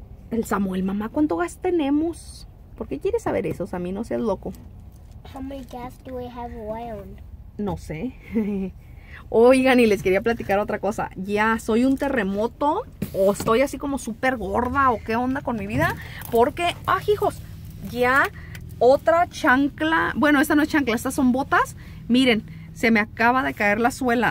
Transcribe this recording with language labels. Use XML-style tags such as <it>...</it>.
<es>El Samuel, mamá, ¿cuánto gas tenemos? ¿Por qué quieres saber eso, Sammy? No seas loco.</es> <en>How many gas do we have around?</en> <es>No sé. Oigan, y les quería platicar otra cosa. Ya, ¿soy un terremoto o estoy así como súper gorda o qué onda con mi vida? Porque, hijos, ya otra chancla. Bueno, esta no es chancla, estas son botas. Miren, se me acaba de caer la suela.</es>